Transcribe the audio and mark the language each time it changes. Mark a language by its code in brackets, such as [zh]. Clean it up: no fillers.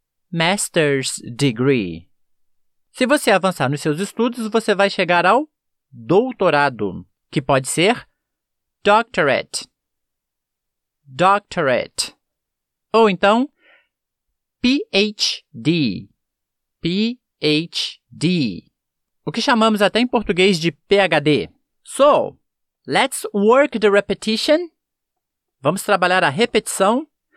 [pt] Master's degree. Se você avançar nos seus estudos, você vai chegar ao doutorado, que pode ser doctorate. Doctorate. Ou então, PhD. PhD. O que chamamos até em português de PhD. [en] So, let's work the repetition. [pt] Vamos trabalhar a repetição.